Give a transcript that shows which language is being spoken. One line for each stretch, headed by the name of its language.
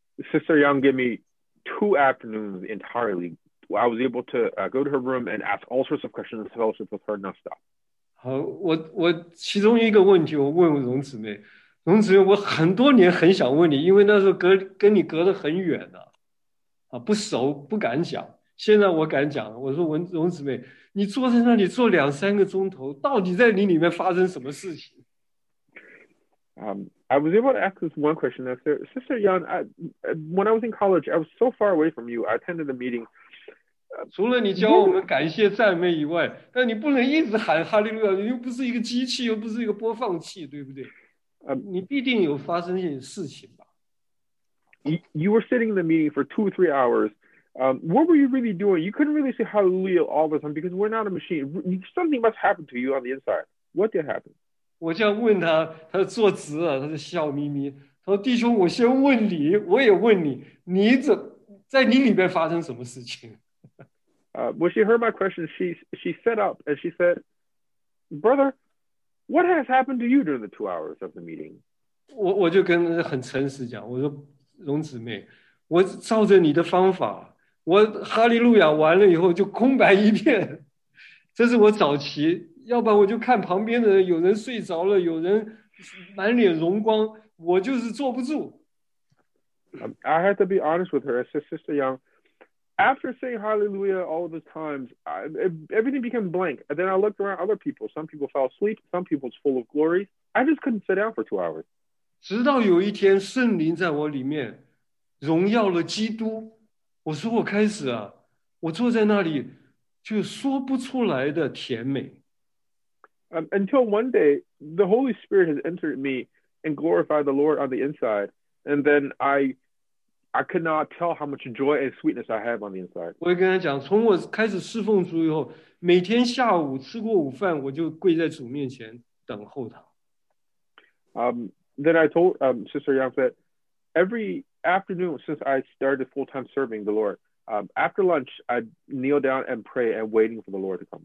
English: Sister Young gave me 2 afternoons entirely. I was able to go to her room and ask all sorts of questions and fellowship with her nonstop.
Chinese: 好，我其中一个问题我问荣姊妹，荣姊妹，我很多年很想问你，因为那时候跟你隔得很远呢，啊，不熟，不敢讲。现在我敢讲，我说荣姊妹，你坐在那里坐两三个钟头，到底在你里面发生什么事情？
English: I was able to ask this one question. Sister Young, when I was in college, I was so far away from you. I attended the meeting.
Chinese: 除了你教我们感谢赞美以外，那你不能一直喊哈利路亚，你又不是一个机器，又不是一个播放器，对不对？你必定有发生一些事情吧。
English: You were sitting in the meeting for 2 or 3 hours. What were you really doing? You couldn't really say hallelujah all the time because we're not a machine. Something must happen to you on the inside. What did happen?
Chinese: 我这样问他，他坐直了，他就笑眯眯。他说：“弟兄，我先问你，我也问你，你怎在你里面发生什么事情？”
English: When she heard my question, she sat up and she said, "Brother, what has happened to you during the 2 hours of the meeting?"
Chinese: 我就跟很诚实讲，我说：“荣姊妹，我照着你的方法。” 我哈利路亚完了以后就空白一片，这是我早期，要不然我就看旁边的人，有人睡着了，有人满脸荣光，我就是坐不住。
English: I have to be honest with her, Sister Young. After saying hallelujah all the times, everything became blank. And then I looked around other people. Some people fell asleep. Some people was full of glory. I just couldn't sit down for 2 hours.
Chinese: 直到有一天圣灵在我里面荣耀了基督。我说我开始啊，我坐在那里就说不出来的甜美。
English: Until one day, the Holy Spirit has entered me and glorified the Lord on the inside, and then I could not tell how much joy and sweetness I have on the inside.
Chinese: 我跟他讲，从我开始侍奉主以后，每天下午吃过午饭，我就跪在主面前等候他。
English: Then I told Sister Young that every afternoon, since I started full-time serving the Lord, after lunch, I kneel down and pray and waiting for the Lord to come.